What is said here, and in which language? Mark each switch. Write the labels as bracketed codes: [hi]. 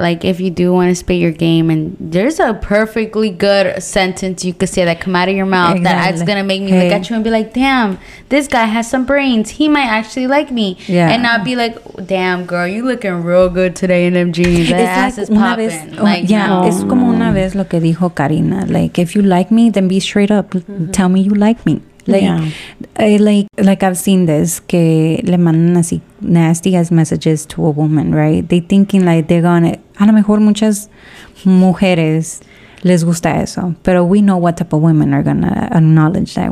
[en] Like, if you do want to spit your game, and there's a perfectly good sentence you could say that come out of your mouth that's going to make me look at you and be like, damn, this guy has some brains. He might actually like me. Yeah. And not be like, damn, girl, you looking real good today in them jeans. That ass is popping. [es] Es como una vez lo que dijo Karina. [en] Like, if you like me, then be straight up. Tell me you like me. Like I've seen this, [es] que le mandan así [en] nasty as messages to a woman, right? They thinking like they're gonna, [es] a lo mejor muchas mujeres les gusta eso, pero [en] we know what type of women are gonna acknowledge that.